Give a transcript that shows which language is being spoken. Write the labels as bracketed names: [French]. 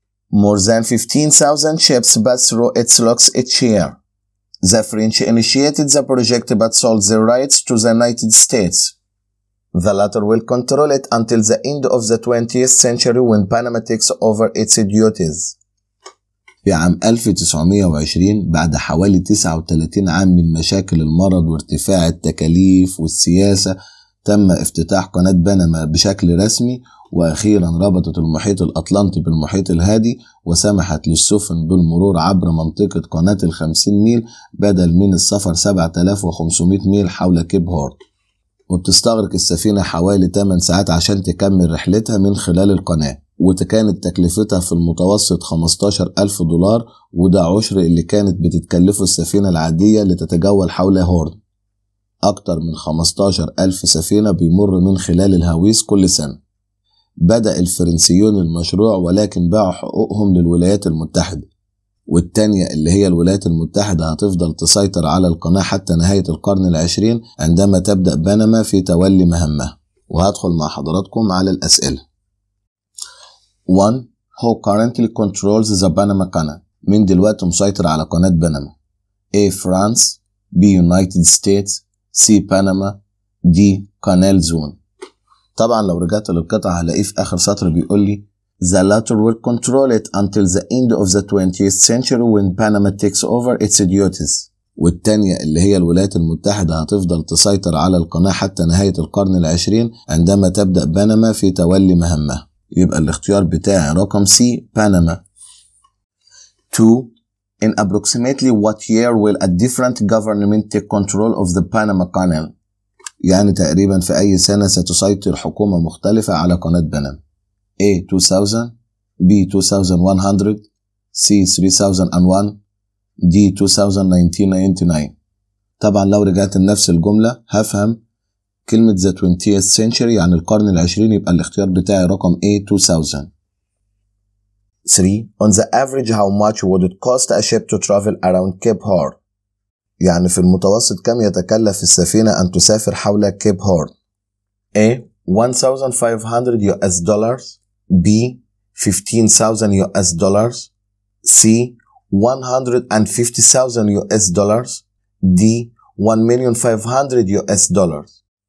[English] More than 15,000 ships pass through its locks each year. The French initiated the project but sold their rights to the United States. The latter will control it until the end of the 20th century when Panama takes over its duties. [Arabic] في عام 1920 بعد حوالي 39 عام من مشاكل المرض وارتفاع التكاليف والسياسة تم افتتاح قناة بنما بشكل رسمي، وأخيرا ربطت المحيط الأطلنطي بالمحيط الهادي وسمحت للسفن بالمرور عبر منطقة قناة 50 ميل بدل من السفر 7500 ميل حول كيب هورن، وبتستغرق السفينة حوالي 8 ساعات عشان تكمل رحلتها من خلال القناة، وكانت تكلفتها في المتوسط $15,000، وده عشر اللي كانت بتتكلفه السفينة العادية لتتجول حول هورن. أكتر من 15,000 سفينة بيمر من خلال الهويس كل سنة. بدأ الفرنسيون المشروع ولكن باعوا حقوقهم للولايات المتحدة، والتانية اللي هي الولايات المتحدة هتفضل تسيطر على القناة حتى نهاية القرن العشرين عندما تبدأ بنما في تولي مهمة. وهدخل مع حضراتكم على الأسئلة. 1. [English] Who currently controls the Panama Canal؟ [Arabic] مين دلوقتي مسيطر على قناة بنما؟ [English] A. France B. United States C. Panama D. Canal Zone. [Arabic] طبعا لو رجعت للقطعة هلاقيه في آخر سطر بيقول لي [English] The latter will control it until the end of the 20th century when Panama takes over its duties. [Arabic] والتانية اللي هي الولايات المتحدة هتفضل تسيطر على القناة حتى نهاية القرن العشرين عندما تبدأ بنما في تولي مهمة. يبقى الاختيار بتاعي رقم C بنما. 2. [English] In approximately what year will a different government take control of the Panama Canal؟ [Arabic] يعني تقريبا في أي سنة ستسيطر حكومة مختلفة على قناة بنما؟ A 2000 B 2100 C 3001 D 2019. طبعا لو رجعت لنفس الجملة هفهم كلمة [English] the 20th century [Arabic] يعني القرن العشرين، يبقى الاختيار بتاعي رقم A 2000. 3. [English] On the average how much would it cost a ship to travel around Cape Horn؟ [Arabic] يعني في المتوسط كم يتكلف السفينة أن تسافر حول كيب هورن؟ [English] A 1500 US dollars B 15,000 US dollars C 150,000 US dollars D 1,500,000 US dollars.